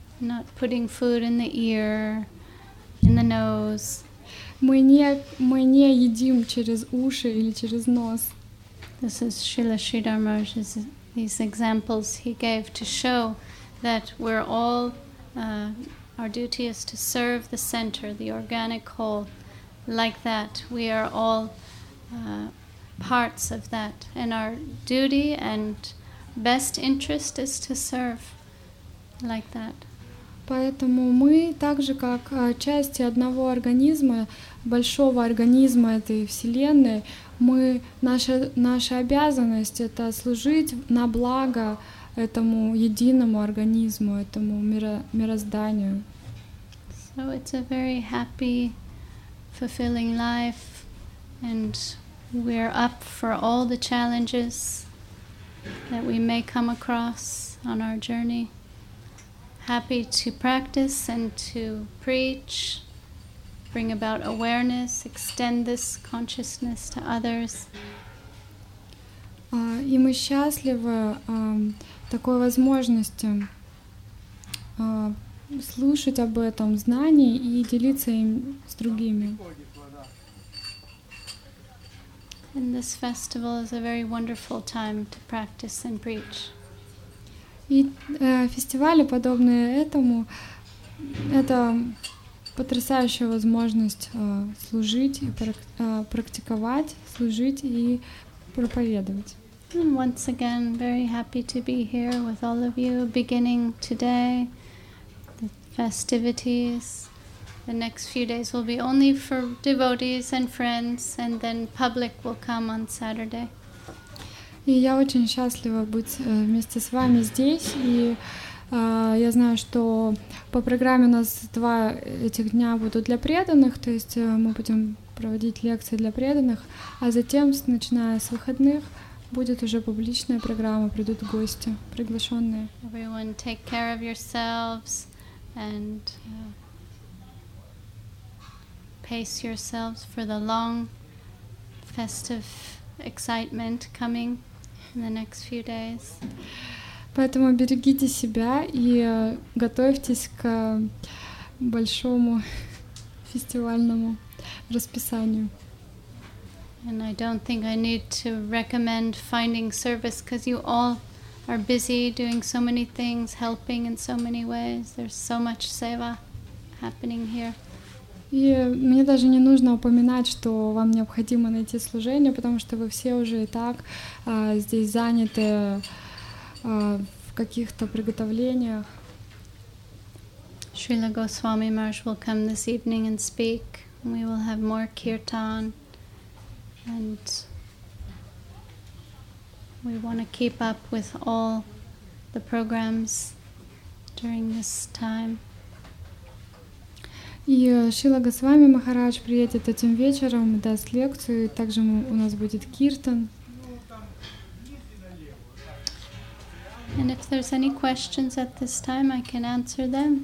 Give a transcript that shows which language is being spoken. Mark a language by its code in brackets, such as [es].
[en] Not putting food in the ear, in the nose. [ru] Мы не едим через уши или через нос. [en] This is Srila Sridhar Maharaj's these examples he gave to show that we're all our duty is to serve the center, the organic whole. Like that, we are all parts of that, and our duty and best interest is to serve like that. [ru] Поэтому мы также как части одного организма, большого организма этой вселенной, мы наша обязанность это служить на благо этому единому организму, этому мирозданию. [en] So it's a very happy, fulfilling life, and we're up for all the challenges that we may come across on our journey. Happy to practice and to preach, bring about awareness, extend this consciousness to others. [ru] И мы счастливы такой возможностью слушать об этом знании и делиться им с другими. [en] And this festival is a very wonderful time to practice and preach. [ru] И фестивали подобные этому это потрясающая возможность служить и практиковать, служить и проповедовать. [en] And once again, very happy to be here with all of you, beginning today. Festivities. The next few days will be only for devotees and friends, and then public will come on Saturday. [ru] И я очень счастлива быть вместе с вами здесь. И я знаю, что по программе у нас два этих дня будут для преданных, то есть мы будем проводить лекции для преданных, а затем, начиная с выходных, будет уже публичная программа, придут гости, приглашенные. [en] Everyone take care of yourselves and pace yourselves for the long festive excitement coming in the next few days. [ru] Поэтому берегите себя и готовьтесь к большому фестивальному расписанию. [en] And I don't think I need to recommend finding service because you all are busy doing so many things, helping in so many ways. There's so much seva happening here. [ru] И мне даже не нужно упоминать, что вам необходимо найти служение, потому что вы все уже и так здесь заняты в каких-то приготовлениях. [en] Srila Goswami Maharaj will come this evening and speak. We will have more kirtan. And we want to keep up with all the programs during this time. [ru] И Шрила Госвами Махарадж приедет этим вечером, даст лекцию, и также у нас будет киртан. [en] And if there's any questions at this time, I can answer them.